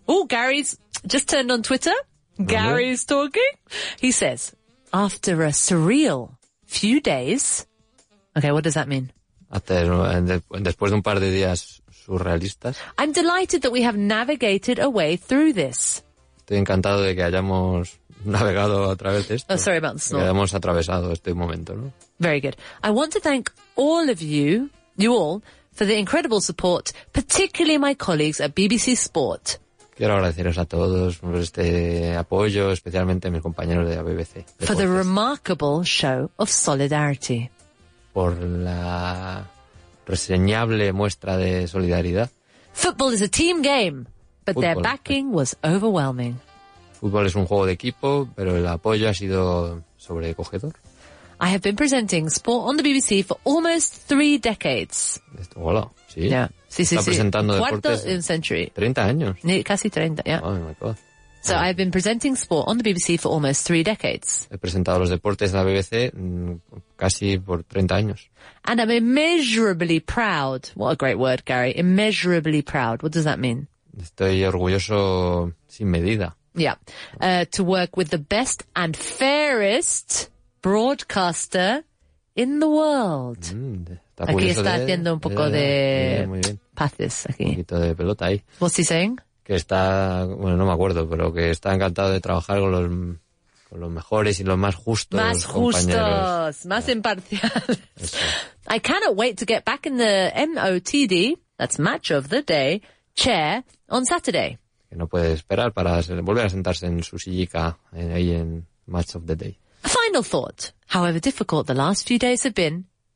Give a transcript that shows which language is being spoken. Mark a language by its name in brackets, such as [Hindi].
[English] Oh, Gary's just turned on Twitter. Mm-hmm. Gary's talking. He says, after a surreal few days... Okay, what does that mean? [Spanish] Después de un par de días... Surrealistas. [English] I'm delighted that we have navigated a way through this. [Spanish] Estoy encantado de que hayamos navegado a través de esto. [English] Oh, sorry about the snore. [Spanish] Que hayamos atravesado este momento, ¿no? [English] Very good. I want to thank all of you all, for the incredible support, particularly my colleagues at BBC Sport. [Spanish] Quiero agradeceros a todos por este apoyo, especialmente a mis compañeros de BBC. [English] For the remarkable show of solidarity. [Spanish] Por la... reseñable muestra de solidaridad. [English] Football is a team game, but their backing was overwhelming. [Spanish] Fútbol es un juego de equipo, pero el apoyo ha sido sobrecogedor. [English] I have been presenting sport on the BBC for almost 3 decades. [Spanish] Hola, sí. [English] Yeah. [Spanish] Sí. Está presentando deportes. Cuarto in century. 30 años. Casi 30, yeah. [English] Oh, my God. So I've been presenting sport on the BBC for almost 3 decades. [Spanish] He presentado los deportes en la BBC casi por 30 años. [English] And I'm immeasurably proud. What a great word, Gary. Immeasurably proud. What does that mean? [Spanish] Estoy orgulloso sin medida. [English] Yeah. To work with the best and fairest broadcaster in the world. [Spanish] Aquí está haciendo un poco de pases aquí. Un poquito de pelota ahí. [English] What's he saying? [Spanish] Que está, bueno, no me acuerdo, pero que está encantado de trabajar con los mejores y los más justos. Más justos, más imparciales. [English] I cannot wait to get back in the MOTD, that's match of the day, chair on Saturday. [Spanish] Que no puede esperar para volver a sentarse en su sillica ahí en match of the day. [English] A final thought, however difficult the last few days have been,